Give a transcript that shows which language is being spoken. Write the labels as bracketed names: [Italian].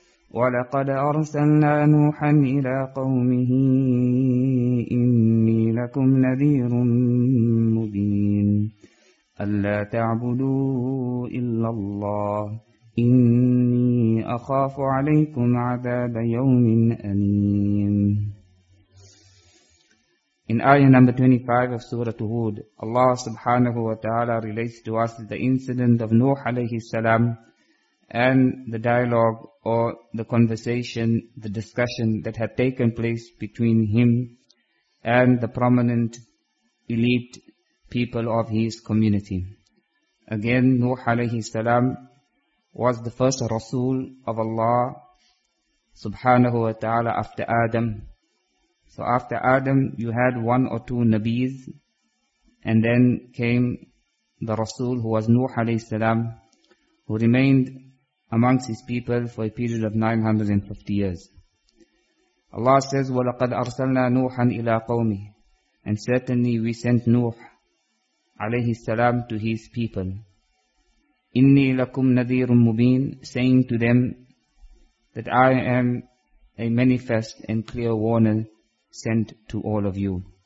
[Arabic] ولقد أرسلنا نوحا إلى قومه إني لكم نذير مبين ألا تعبدوا إلا الله إني أخاف عليكم عذاب يوم أليم. [English] In ayah number 25 of Surah Hud, Allah subhanahu wa ta'ala relates to us the incident of Nuh alayhi salam and the dialogue or the conversation, the discussion that had taken place between him and the prominent elite people of his community. Again, Nuh alayhi salam was the first Rasul of Allah subhanahu wa ta'ala after Adam. So after Adam, you had one or two Nabis, and then came the Rasul, who was Nuh alayhi salam, who remained amongst his people for a period of 950 years. Allah says, [Arabic] وَلَقَدْ أَرْسَلْنَا نُوحًا إِلَىٰ قَوْمِهِ. [English] And certainly we sent Nuh alayhi salam to his people. [Arabic] إِنِّي لَكُمْ نَذِيرٌ مُبِينٌ, [English] saying to them that I am a manifest and clear warner sent to all of you.